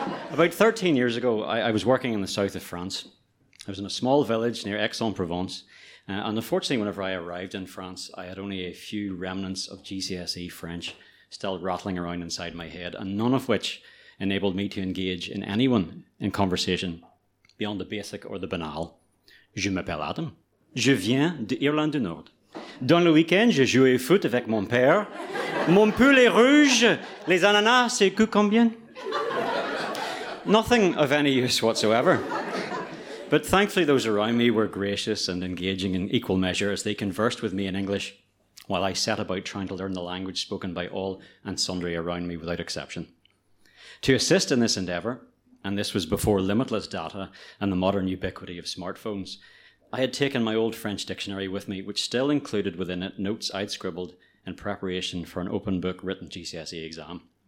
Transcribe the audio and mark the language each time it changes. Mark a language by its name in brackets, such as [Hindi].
[English] About 13 years ago, I was working in the south of France. I was in a small village near Aix-en-Provence, and unfortunately, whenever I arrived in France, I had only a few remnants of GCSE French still rattling around inside my head, and none of which enabled me to engage in anyone in conversation beyond the basic or the banal. [French] Je m'appelle Adam. Je viens d'Irlande du Nord. Dans le week-end, je joue au foot avec mon père. Mon pull est rouge. Les ananas, c'est que combien? [English] Nothing of any use whatsoever. But thankfully, those around me were gracious and engaging in equal measure as they conversed with me in English while I set about trying to learn the language spoken by all and sundry around me without exception. To assist in this endeavor, and this was before limitless data and the modern ubiquity of smartphones, I had taken my old French dictionary with me, which still included within it notes I'd scribbled in preparation for an open book written GCSE exam.